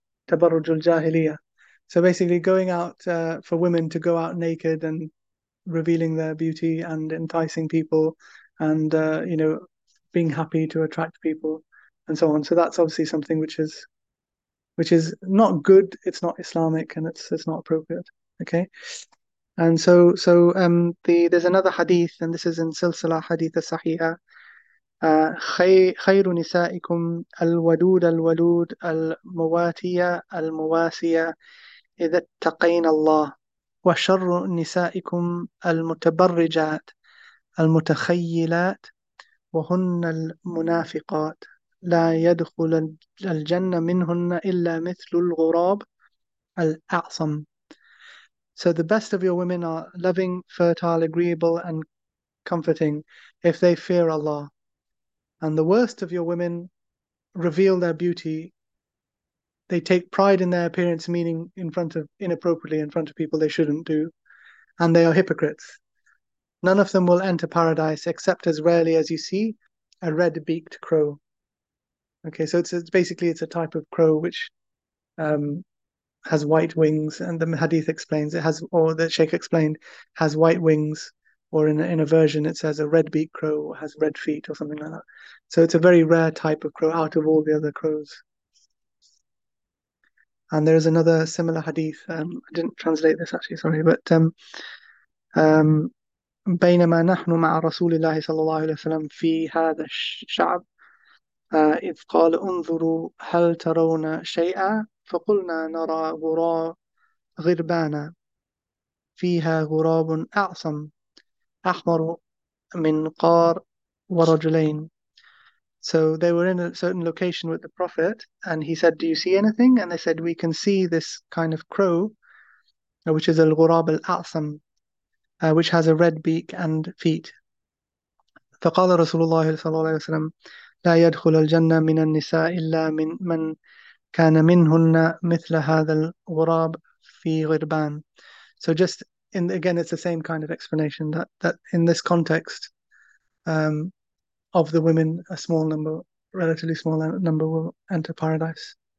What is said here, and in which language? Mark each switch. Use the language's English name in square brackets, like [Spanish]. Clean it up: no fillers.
[English] Tabarruj al-jahiliyyah. So basically, going out for women to go out naked and revealing their beauty and enticing people, and being happy to attract people, and so on. So that's obviously something which is. Which is not good, it's not Islamic, and it's not appropriate. Okay. And so there's another hadith, and this is in Silsila Hadith al-Sahihah, [Arabic] خير نسائكم الودود الولود المواتية المواسية إذا اتقين الله، وشر نسائكم المتبرجات المتخيلات وهن المنافقات، لا يدخل الجنة منهن إلا مثل الغراب الأعصم. [English] So the best of your women are loving, fertile, agreeable, and comforting if they fear Allah. And the worst of your women reveal their beauty. They take pride in their appearance, meaning inappropriately in front of people they shouldn't do. And they are hypocrites. None of them will enter paradise except as rarely as you see a red-beaked crow. Okay, so it's a type of crow which has white wings, and the hadith explains it has, or the sheikh explained, has white wings, or in a version it says a red-beaked crow has red feet or something like that. So it's a very rare type of crow out of all the other crows. And there is another similar hadith. I didn't translate this actually, sorry, but [Arabic] بينما نحن مع رسول الله صلى الله عليه وسلم في هذا الشعب إذ قال انظروا هل ترون شيئا فقلنا نرى غراب غربانا فيها غراب أعصم أحمر من قار ورجلين. [English] So they were in a certain location with the Prophet, and he said, "Do you see anything?" And they said, "We can see this kind of crow, which is al-ghurab al-a'sam, which has a red beak and feet." [Arabic] فقال رسول الله صلى الله عليه وسلم لا يدخل الجنة من النساء إلا من من كان منهن مثل هذا الغراب في غربان. [English] So just in, again, it's the same kind of explanation that in this context, of the women, a small number, relatively small number, will enter paradise.